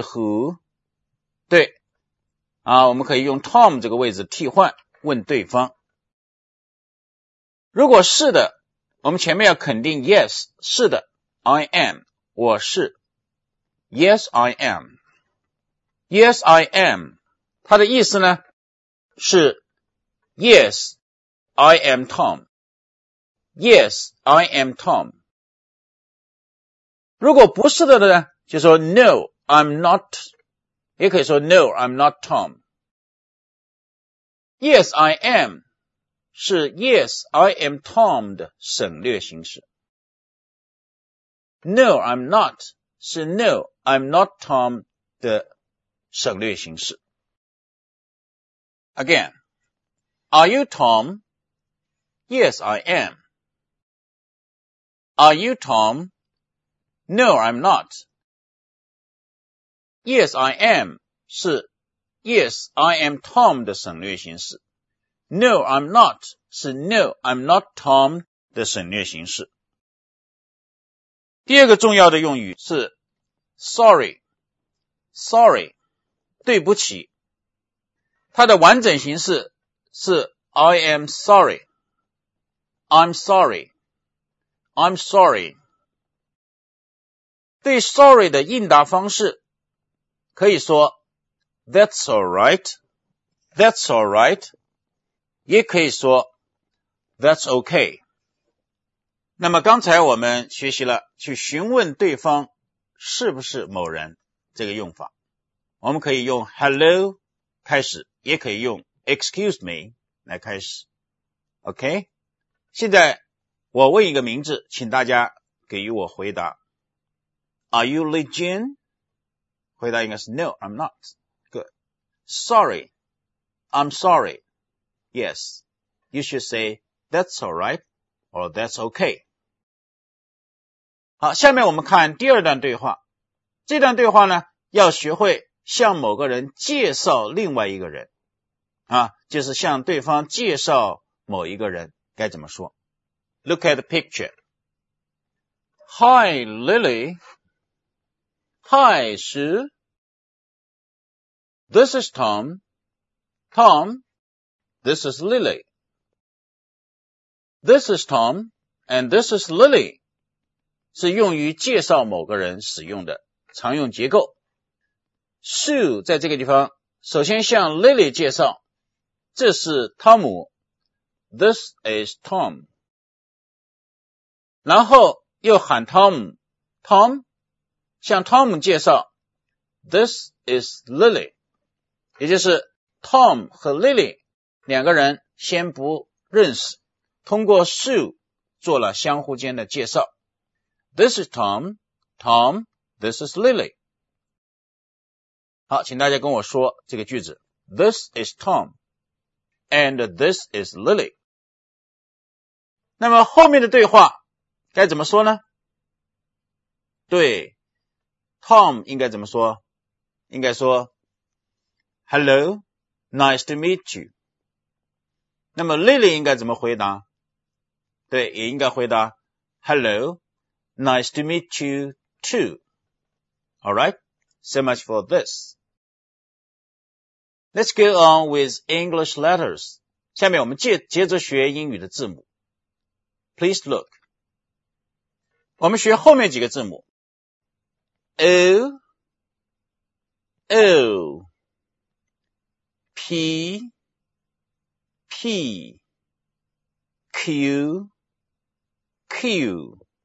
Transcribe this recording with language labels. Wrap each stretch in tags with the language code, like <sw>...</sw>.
<en>Who？</en> <zh>对，啊，我们可以用 Tom 这个位置替换问对方。如果是的，我们前面要肯定 Yes， 是的 ，</zh> <en>I am，</en> <zh>我是 ，</zh> <en>Yes I am。 Yes, I am.</en> <zh>它的意思呢是</zh> <en>Yes, I am Tom. Yes, I am Tom.</en> <zh>如果不是的呢，就说</zh> <en>No, I'm not.</en> <zh>也可以说</zh> <en>No, I'm not Tom. Yes, I am. 是 Yes, I am Tom</en> <zh>的省略形式。</zh> <en>No, I'm not. 是 No, I'm not Tom</en> <zh>的省略形式。</zh> <en>Again, Are you Tom? Yes, I am. Are you Tom? No, I'm not. Yes, I am. 是 Yes, I am Tom</en> <zh>的省略形式。</zh> <en>No, I'm not. 是 No, I'm not Tom</en> <zh>的省略形式。第二个重要的用语是 Sorry, Sorry, 对不起。它的完整形式是</zh> <en>I am sorry, I'm sorry, I'm sorry。对 sorry</en> <zh>的应答方式可以说</zh> <en>That's alright, That's alright,</en> <zh>也可以说</zh> <en>That's okay。</en> <zh>那么刚才我们学习了去询问对方是不是某人这个用法，我们可以用 Hello 开始，也可以用</zh> <en>Excuse me</en> <zh>来开始。 OK， 现在我问一个名字，请大家给予我回答。</zh> <en>Are you Lee Jin？</en> <zh>回答应该是</zh> <en>No, I'm not。 Good。 Sorry, I'm sorry。 Yes, you should say That's alright or That's okay。</en> <zh>好，下面我们看第二段对话。这段对话呢，要学会向某个人介绍另外一个人啊，就是向对方介绍某一个人该怎么说。</zh> <en>Look at the picture. Hi Lily. Hi Sue. This is Tom. Tom, this is Lily. This is Tom and this is Lily.</en> <zh>是用于介绍某个人使用的常用结构。 Sue 在这个地方首先向 Lily 介绍，这是汤姆。</zh> <en>This is Tom.</en> <zh>然后又喊汤姆 Tom， 向汤姆介绍</zh> <en>This is Lily，</en> <zh>也就是 Tom 和 Lily 两个人先不认识，通过 Sue 做了相互间的介绍。</zh> <en>This is Tom. Tom, this is Lily.</en> <zh>好，请大家跟我说这个句子。</zh> <en>This is Tom. And this is Lily.</en> <zh>那么后面的对话该怎么说呢？对， Tom 应该怎么说？应该说</zh> <en>Hello, nice to meet you.</en> <zh>那么 Lily 应该怎么回答？对，也应该回答</zh> <en>Hello,Nice to meet you too. Alright, so much for this. Let's go on with English letters.</en> <zh>下面我们接着学英语的字母。</zh> <en>Please look.</en> <zh>我们学后面几个字母。O,</zh> <en>O, P, P, Q, Q.</en>